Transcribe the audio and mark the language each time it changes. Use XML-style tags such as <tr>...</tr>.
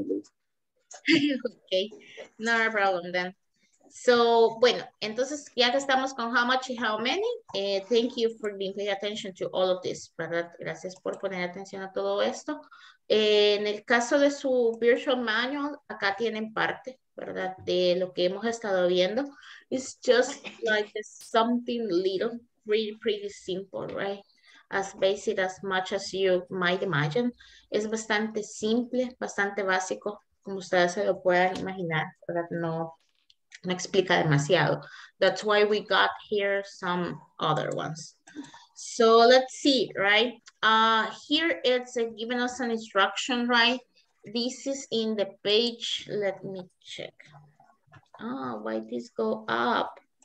<es>Ok. No hay problema,</es> <en>then. So,</en> <es>bueno, entonces ya que estamos con</es> <en>how much and how many, thank you for being paying attention to all of this, ¿verdad?</en> <es>Gracias por poner atención a todo esto. En el caso de su virtual manual, acá tienen parte, ¿verdad? De lo que hemos estado viendo.</es> <en>It's just like something little, really pretty simple, right? As basic as much as you might imagine.</en> <es>Es bastante simple, bastante básico, como ustedes se lo puedan imaginar, ¿verdad? No explica demasiado.</es> <en>That's why we got here some other ones. So let's see, right? Here it's giving us an instruction, right? This is in the page. Let me check. Oh, why this go up?</en>